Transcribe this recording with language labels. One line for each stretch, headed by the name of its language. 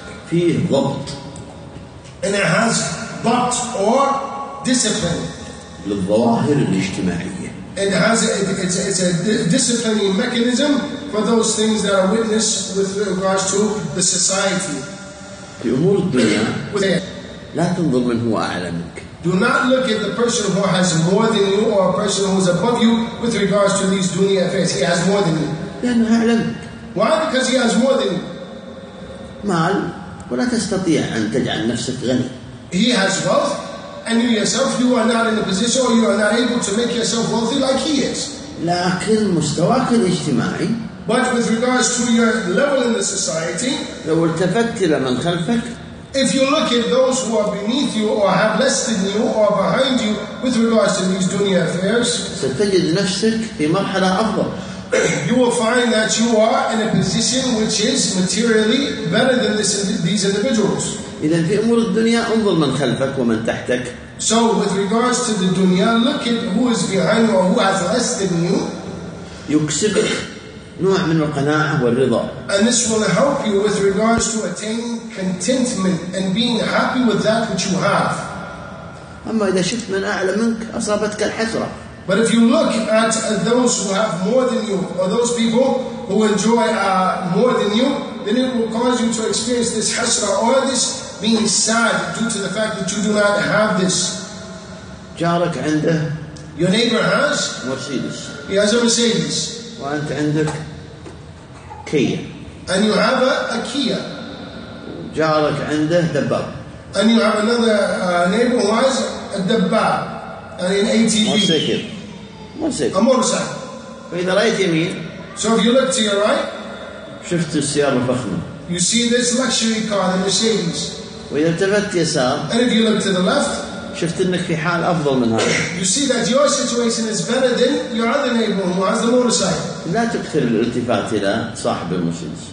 Arabic: فيه ضبط.
English: And it has ضبط or discipline.
Arabic: للظواهر الاجتماعية.
English: It has a disciplining mechanism for for those things that are witnessed with regards to the society.
Arabic: في أمور الدنيا لا تنظر من هو أعلى منك.
English: Do not look at the person who has more than you or a person who is above you with regards to these dunya affairs. He has more than you.
Arabic: لأنه أعلى منك.
English: Why? Because he has more than you.
Arabic: مال ولا تستطيع أن تجعل نفسك غني.
English: He has wealth, and you yourself, you are not in a position or you are not able to make yourself wealthy like he is.
Arabic: لكن مستواك الاجتماعي.
English: But with regards to your level in the society,
Arabic: لو التفت إلى من خلفك.
English: If you look at those who are beneath you or have less than you or behind you with regards to these dunya affairs,
Arabic: ستجد نفسك في مرحلة أفضل.
English: You will find that you are in a position which is materially better than these individuals.
Arabic: إذن في أمور الدنيا انظر من خلفك ومن تحتك.
English: So with regards to the dunya, look at who is behind you or who has less than you.
Arabic: يكسبك نوع من القناعة والرضا.
English: And this will help you with regards to attaining contentment and being happy with that which you have.
Arabic: أما إذا شفت من أعلى منك أصابتك الحسرة.
English: But if you look at those who have more than you, or those people who enjoy more than you, then it will cause you to experience this hasra, or this being sad due to the fact that you do not have this.
Arabic: جارك عنده.
English: Your neighbor has. Mercedes. He has a Mercedes.
Arabic: وأنت عندك كيا.
English: And you have a Kia.
Arabic: جارك عنده دباب.
English: And you have another neighbor who has a دباب.
Arabic: موسيكل. موسيكل.
English: A motorcycle.
Arabic: فإذا رأيت يمين.
English: So if you look to your right.
Arabic: شفت السيارة الفخمة.
English: You see this luxury car, the Mercedes.
Arabic: وإذا التفت يسار.
English: And if you look to the left.
Arabic: شفت إنك في حال أفضل من هذا.
English: You see that your situation is better than your other neighbor who has the motorcycle.
Arabic: لا تكثر الالتفات إلى صاحب المرسيدس.